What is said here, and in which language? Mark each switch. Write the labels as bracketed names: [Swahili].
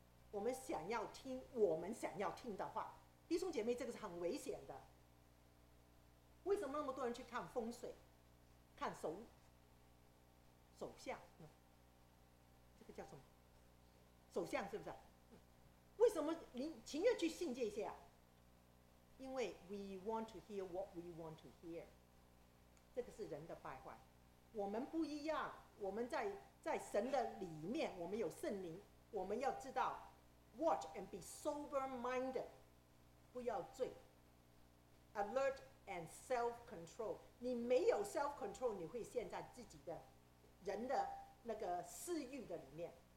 [Chinese] 我们想要听我们想要听的话。弟兄姐妹，这个是很危险的。为什么那么多人去看风水，看手相、这个叫什么手相，是不是？为什么你情愿去信这些啊？因为 [English] we want to hear what we want to hear， [Chinese] 这个是人的败坏。我们不一样，我们在神的里面，我们有圣灵，我们要知道 [English] watch and be sober minded， [Chinese] 不要醉， [English] alert and self control。 [Chinese] 你没有 self control， 你会陷在自己的人的那个私欲的里面。